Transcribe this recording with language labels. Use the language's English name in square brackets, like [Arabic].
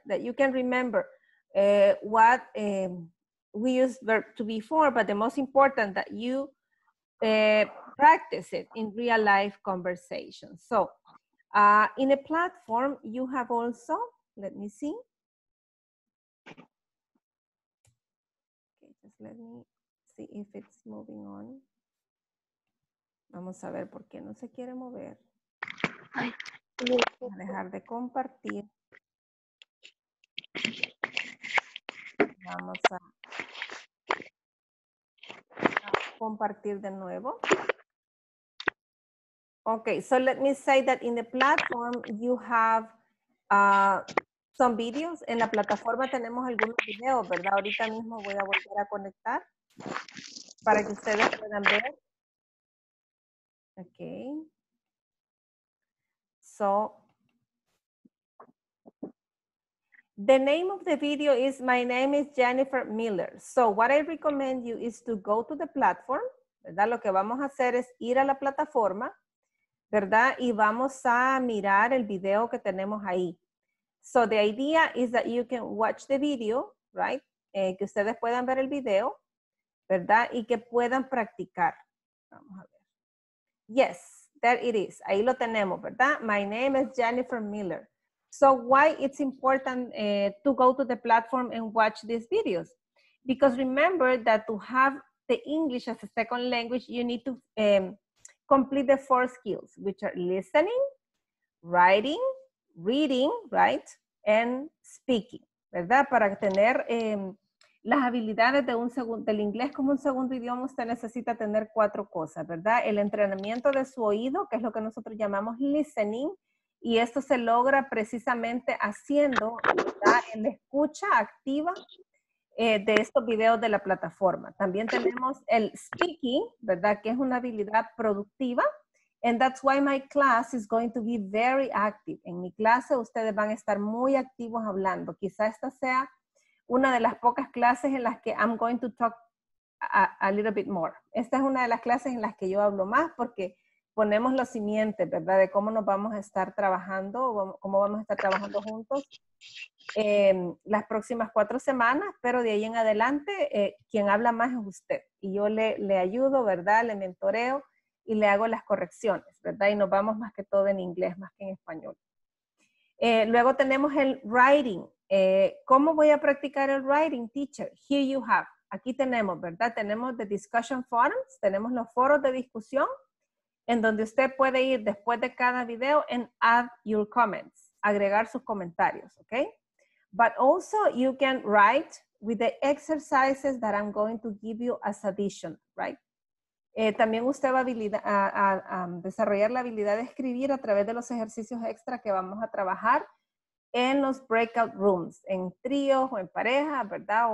[English] That you can remember what we use verb to be for, but the most important that you practice it in real life conversations. So in a platform, you have also, let me see. Okay, just let me see if it's moving on. [Spanish] Vamos a ver por qué no se quiere mover. Voy a dejar de compartir. Vamos a compartir de nuevo. [English] Okay, so let me say that in the platform you have some videos. [Spanish] En la plataforma tenemos algunos videos, ¿verdad? Ahorita mismo voy a volver a conectar para que ustedes puedan ver. [English] Okay. So, the name of the video is, my name is Jennifer Miller. So, what I recommend you is to go to the platform, ¿verdad? [Spanish] Lo que vamos a hacer es ir a la plataforma, ¿verdad? Y vamos a mirar el video que tenemos ahí. [English] So, the idea is that you can watch the video, right? [Spanish] Que ustedes puedan ver el video, ¿verdad? Y que puedan practicar. Vamos a ver. [English] Yes. There it is. [Spanish] Ahí lo tenemos, ¿verdad? [English] My name is Jennifer Miller. So why it's important to go to the platform and watch these videos? Because remember that to have the English as a second language, you need to complete the 4 skills, which are listening, writing, reading, right? And speaking, ¿verdad? [Spanish] Para tener las habilidades de del inglés como un segundo idioma, usted necesita tener 4 cosas, ¿verdad? El entrenamiento de su oído, que es lo que nosotros llamamos listening, y esto se logra precisamente haciendo, ¿verdad?, en la escucha activa de estos videos de la plataforma. También tenemos el speaking, ¿verdad?, que es una habilidad productiva, [English] And that's why my class is going to be very active. [Spanish] En mi clase ustedes van a estar muy activos hablando. Quizá esta sea una de las pocas clases en las que [English] I'm going to talk a little bit more. [Spanish] Esta es una de las clases en las que yo hablo más porque ponemos los cimientos, ¿verdad? De cómo nos vamos a estar trabajando, cómo vamos a estar trabajando juntos las próximas 4 semanas, pero de ahí en adelante, quien habla más es usted. Y yo le ayudo, ¿verdad? Le mentoreo y le hago las correcciones, ¿verdad? Y nos vamos más que todo en inglés, más que en español. Luego tenemos el writing. ¿Cómo voy a practicar el writing, teacher? [English] Here you have. [Spanish] Aquí tenemos, ¿verdad? Tenemos [English] the discussion forums, [Spanish] tenemos los foros de discusión, en donde usted puede ir después de cada video [English] and add your comments, [Spanish] agregar sus comentarios, ¿ok? [English] But also you can write with the exercises that I'm going to give you as addition, right? [Spanish] También usted va a desarrollar la habilidad de escribir a través de los ejercicios extra que vamos a trabajar en los breakout rooms, en tríos o en pareja, ¿verdad?